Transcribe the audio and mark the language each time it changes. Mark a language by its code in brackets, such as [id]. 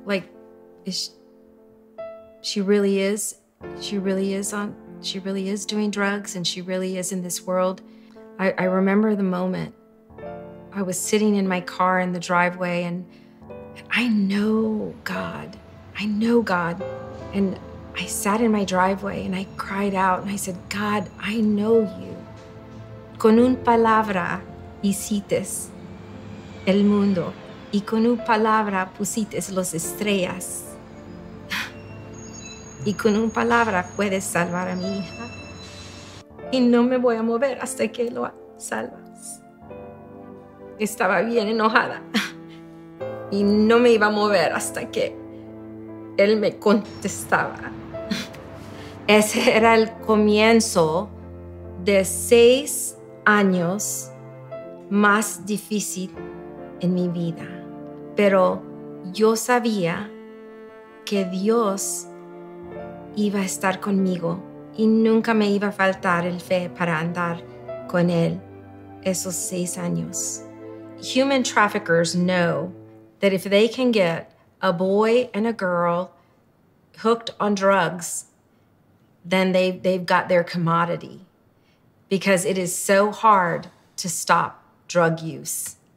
[en] Like, she really is doing drugs, and she really is in this world. I remember the moment. I was sitting in my car in the driveway, and I know God. I know God. And I sat in my driveway, and I cried out, and I said, God, I know you. [es] Con un palabra hiciste el mundo, y con un palabra pusiste las estrellas. y con una palabra puedes salvar a mi hija. Y no me voy a mover hasta que lo salvas. Estaba bien enojada. Y no me iba a mover hasta que él me contestaba. Ese era el comienzo de 6 años más difícil en mi vida. Pero yo sabía que Dios iba a estar conmigo y nunca me iba a faltar el fe para andar con él esos 6 años. [en] Human traffickers know that if they can get a boy and a girl hooked on drugs, then they've got their commodity, because it is so hard to stop drug use.